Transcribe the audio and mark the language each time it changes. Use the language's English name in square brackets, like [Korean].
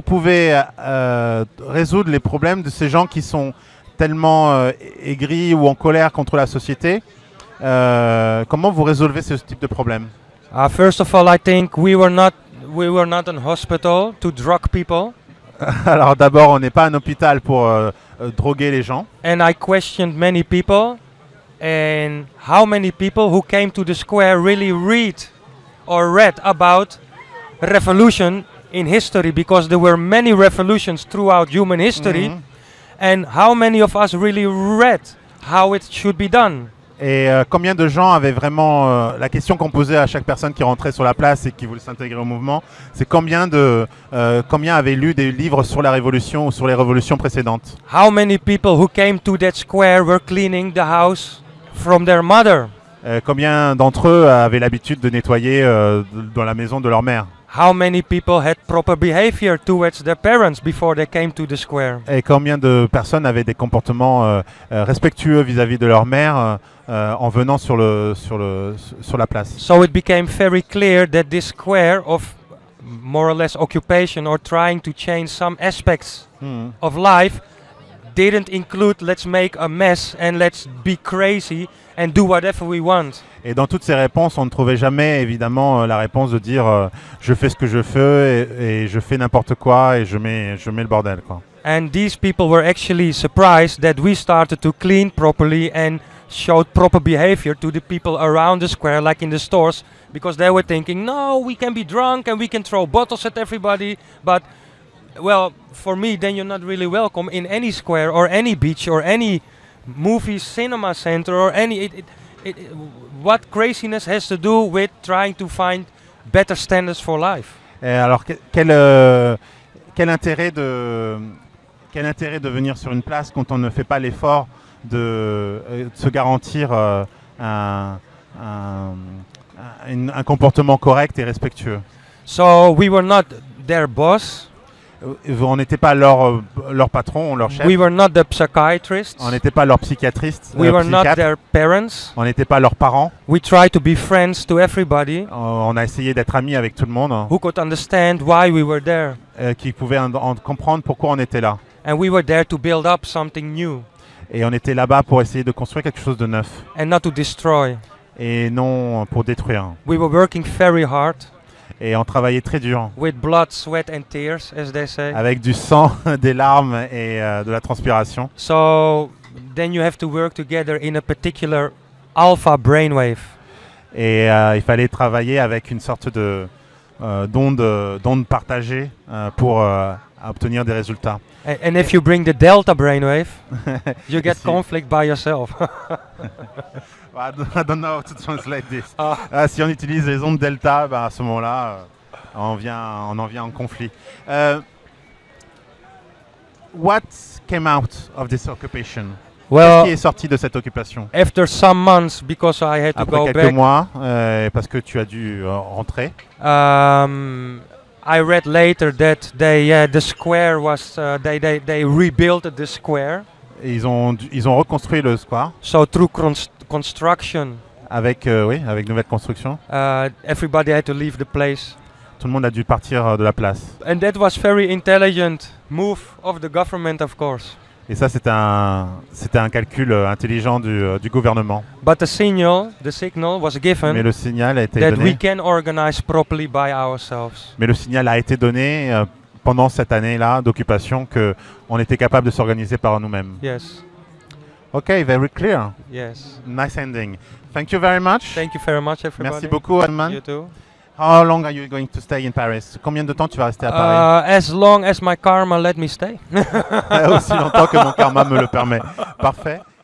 [French] Comment vous pouvez résoudre les problèmes de ces gens qui sont tellement aigris ou en colère contre la société? Comment vous résolvez ce type de problème? [English] First of all, I think we were not an hospital to drug people. [French] Alors d'abord, on n'est pas un hôpital pour droguer les gens. [English] And I questioned many people, and how many people who came to the square really read or read about revolution in history, because there were many revolutions throughout human history, and how many of us really read how it should be done? [French] Et combien de gens avaient vraiment la question qu'on posait à chaque personne qui rentrait sur la place et qui voulait s'intégrer au mouvement, c'est combien avaient lu des livres sur la révolution ou sur les révolutions précédentes? [English] How many people who came to that square were cleaning the house from their mother? [French] Combien d'entre eux avaient l'habitude de nettoyer dans la maison de leur mère? [English] how many people had proper behavior towards their parents before they came to the square. [French] Et combien de personnes avaient des comportements respectueux vis-à-vis de leur mère en venant sur la place. [English] So it became very clear that this square of more or less occupation or trying to change some aspects of life didn't include let's make a mess and let's be crazy and do whatever we want. [French] Et dans toutes ces réponses, on ne trouvait jamais évidemment la réponse de dire je fais ce que je veux et je fais n'importe quoi et je mets le bordel quoi. [English] And these people were actually surprised that we started to clean properly and showed proper behavior to the people around the square, like in the stores, because they were thinking, no, we can be drunk and we can throw bottles at everybody, but well, for me, then you're not really welcome in any square or any beach or any movie cinema center or any. What craziness has to do with trying to find better standards for life? [French] Et alors, quel intérêt de venir sur une place quand on ne fait pas l'effort de se garantir un comportement correct et respectueux? [English] So we were not their boss. [French] On n'était pas leur patron, leur chef. [English] We were not the psychiatrists. [French] On n'était pas leur psychiatriste. [English] We were not their parents. [French] On n'était pas leurs parents. [English] We tried to be friends to everybody. [French] On a essayé d'être amis avec tout le monde. [English] Who could understand why we were there? [French] Qui pouvait comprendre pourquoi on était là. [English] And we were there to build up something new. [French] Et on était là-bas pour essayer de construire quelque chose de neuf. [English] And not to destroy. [French] Et non pour détruire. [English] We were working very hard. [French] Et on travaillait très dur. [English] With blood, sweat and tears, as they say. [French] Avec du sang, des larmes et de la transpiration. [English] So then you have to work together in a particular alpha brainwave. [French] Et il fallait travailler avec une sorte de d'onde partagée pour obtenir des résultats. [English] And if you bring the delta brainwave, you get conflict by yourself. I don't know how to translate this. [French] Si on utilise les ondes delta, à ce moment-là, on en vient en conflit. [English] What came out of this occupation? Well, [French] qu'est-ce qui est sorti de cette occupation? [English] After some months, because I had to go back. [French] Après quelques mois, parce que tu as dû rentrer. [English] I read later that they rebuilt the square. [French] Ils ont reconstruit le square. [English] So through construction. [French] Avec nouvelle construction. [English] Everybody had to leave the place. [French] Tout le monde a dû partir de la place. [English] And that was very intelligent move of the government, of course. [French] Et ça c'était un calcul intelligent du gouvernement. [English] But the signal was given. [French] Mais le signal a été [English] that [French] donné. [English] We can organize properly by ourselves. [French] Mais le signal a été donné pendant cette année-là d'occupation que on était capable de s'organiser par nous-mêmes. [English] Yes. Okay, very clear. Yes. Nice ending. Thank you very much. Thank you very much, everybody. [French] Merci beaucoup, Edmond. [English] You too. How long are you going to stay in Paris? [French] Combien de temps tu vas rester à Paris? [English] As long as my karma let me stay. [French] Aussi longtemps que mon karma me le permet. Parfait.